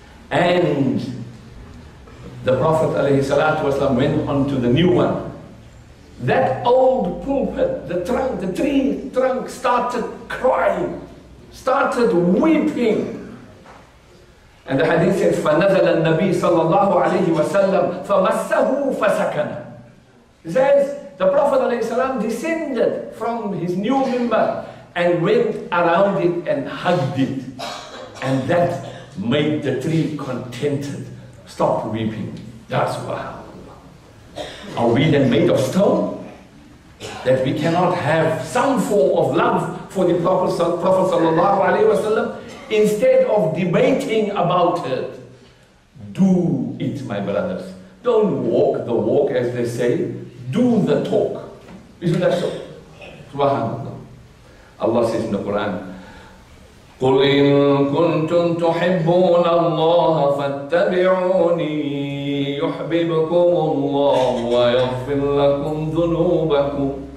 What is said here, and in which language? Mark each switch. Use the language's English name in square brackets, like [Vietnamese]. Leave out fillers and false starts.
[English] And the Prophet alayhi salatu wasallam went on to the new one. That old pulpit, the trunk, the tree trunk started crying, started weeping. And the hadith says, [Arabic] فَنَزَلَ النَّبِيِّ صَلَّى اللَّهُ عَلَيْهِ وَسَلَّمْ فَمَسَّهُ فَسَكَنَ. [English] He says, the Prophet ﷺ descended from his new mimbar and went around it and hugged it. And that made the tree contented, stop weeping. That's why. Are we then made of stone? That we cannot have some form of love for the Prophet ﷺ? Instead of debating about it, do it, my brothers. Don't walk the walk, as they say. Do the talk. Isn't that so? Subhanallah. Allah says in the Quran, [Arabic] قُلْ إِن كُنْتُمْ تُحِبُّونَ اللَّهَ فَاتَّبِعُونِي يُحْبِبْكُمُ اللَّهُ وَيَغْفِرْ لَكُمْ ذُنُوبَكُمْ.